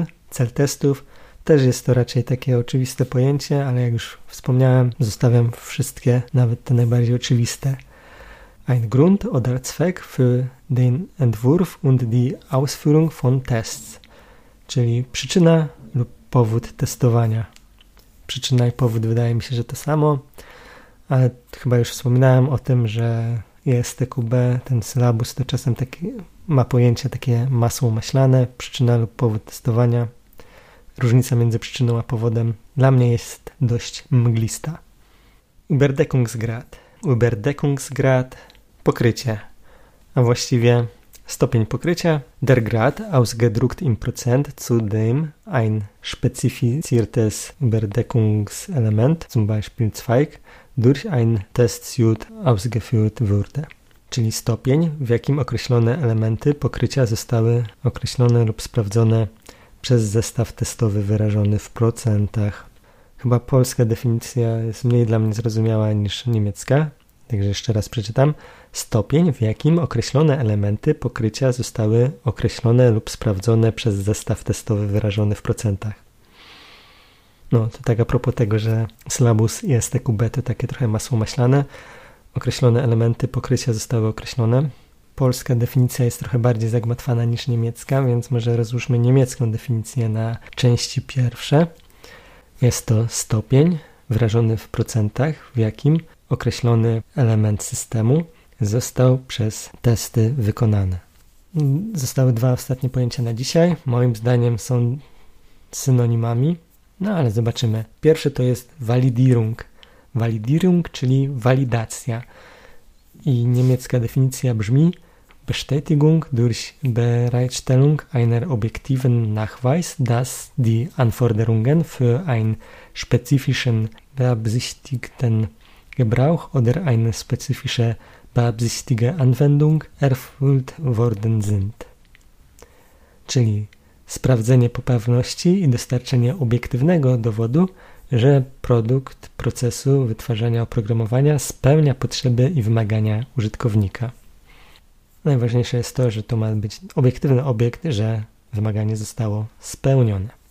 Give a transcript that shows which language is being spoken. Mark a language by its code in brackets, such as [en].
[pl] Cel testów, też jest to raczej takie oczywiste pojęcie, ale jak już wspomniałem, zostawiam wszystkie, nawet te najbardziej oczywiste. [de] Ein Grund oder Zweck für den Entwurf und die Ausführung von Tests. [pl] Czyli przyczyna lub powód testowania. Przyczyna i powód wydaje mi się, że to samo, ale chyba już wspominałem o tym, że ESTQB, ten sylabus, to czasem taki, ma pojęcie takie masło maślane, przyczyna lub powód testowania. Różnica między przyczyną a powodem dla mnie jest dość mglista. [de] Überdeckungsgrad, [pl] pokrycie, a właściwie stopień pokrycia, [de] der Grad ausgedruckt im Prozent zu dem ein spezifiziertes Überdeckungselement, zum Beispiel Zweig, durch ein Testsuit ausgeführt wurde. [pl] Czyli stopień, w jakim określone elementy pokrycia zostały określone lub sprawdzone przez zestaw testowy wyrażony w procentach. Chyba polska definicja jest mniej dla mnie zrozumiała niż niemiecka. Także jeszcze raz przeczytam. Stopień, w jakim określone elementy pokrycia zostały określone lub sprawdzone przez zestaw testowy wyrażony w procentach. No, to tak a propos tego, że syllabus ESTQB to takie trochę masło maślane. Określone elementy pokrycia zostały określone. Polska definicja jest trochę bardziej zagmatwana niż niemiecka, więc może rozłóżmy niemiecką definicję na części pierwsze. Jest to stopień wyrażony w procentach, w jakim określony element systemu został przez testy wykonany. Zostały dwa ostatnie pojęcia na dzisiaj. Moim zdaniem są synonimami, no ale zobaczymy. Pierwsze to jest Validierung. Validierung, czyli walidacja. I niemiecka definicja brzmi [de] Bestätigung durch Bereitstellung einer objektiven Nachweis, dass die Anforderungen für einen spezifischen beabsichtigten Gebrauch oder eine spezifische beabsichtigte Anwendung erfüllt worden sind. [pl] Czyli sprawdzenie poprawności i dostarczenie obiektywnego dowodu, że produkt procesu wytwarzania oprogramowania spełnia potrzeby i wymagania użytkownika. Najważniejsze jest to, że to ma być obiektywny obiekt, że wymaganie zostało spełnione.